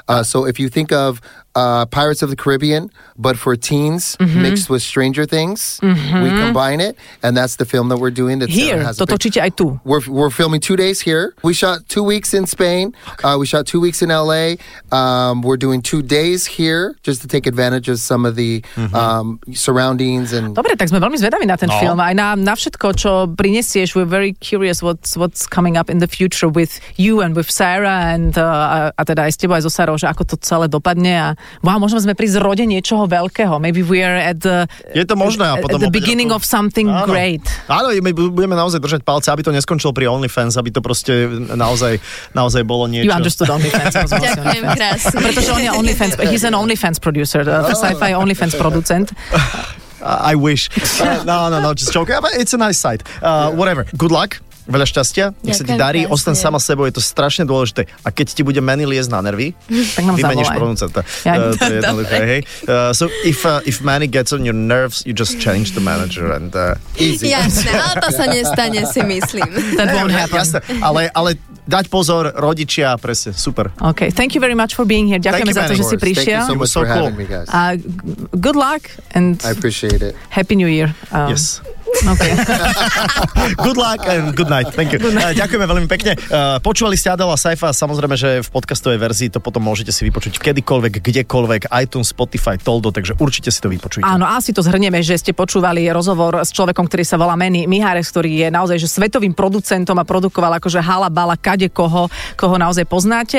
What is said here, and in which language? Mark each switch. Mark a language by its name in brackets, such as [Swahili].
[English] So if you think of Pirates of the Caribbean, but for teens, mixed with Stranger Things, we combine it, and that's the film that we're doing. That here, has to točíte aj tu. We're filming 2 days here. We shot 2 weeks in Spain. Okay. We shot 2 weeks in L.A. We're doing 2 days here, just to take advantage of some of the surroundings. And [Slovak] dobre, tak sme veľmi zvedaví na ten film. Aj na všetko, čo prinesieš. [English] We're very curious what's coming up in the future with you and with Sarah, and [Slovak] a teda aj s tebou, aj so Sarou, že ako to celé dopadne. Wow, možno sme pri zrode niečoho veľkého. [English] Maybe we are at the, [Slovak] je to možné, a potom [English] at the beginning of something great. [Slovak] Áno, my budeme naozaj držať palce, aby to neskončilo pri OnlyFans, aby to proste naozaj bolo niečo. [English] You understood OnlyFans. [Slovak] Ďakujem, krásne. Pretože on je [English] OnlyFans, he's an OnlyFans producer, the sci-fi OnlyFans producent. I wish. No, just joking, but it's a nice site. Whatever, good luck. [Slovak] Veľa šťastia, nech sa ti darí, ostaň sama sebou, je to strašne dôležité. A keď ti bude Manny liest na nervy, tak nám vymeníš producenta. To je jednoduché, hej. [English] So if Manny gets on your nerves, you just change the manager and easy. [Slovak] Jasne, ale to sa nestane, si myslím. [English] That won't happen. [Slovak] Jasne, ale dať pozor, rodičia, presne, super. [English] OK, thank you very much for being here. [Slovak] Ďakujeme za to, že si prišiel. [English] Thank you so much for having me, guys. Good luck and I appreciate it. Happy New Year. Yes. Okay. Good luck and good night. Thank you. [Slovak] Ďakujeme veľmi pekne. Počúvali ste Adela Saifa, samozrejme, že v podcastovej verzii to potom môžete si vypočuť kedykoľvek, kdekoľvek, iTunes, Spotify, Toldo, takže určite si to vypočujte. Áno, asi to zhrnieme, že ste počúvali rozhovor s človekom, ktorý sa volá Manny Mihárez, ktorý je naozaj že svetovým producentom a produkoval akože halabala kade koho naozaj poznáte.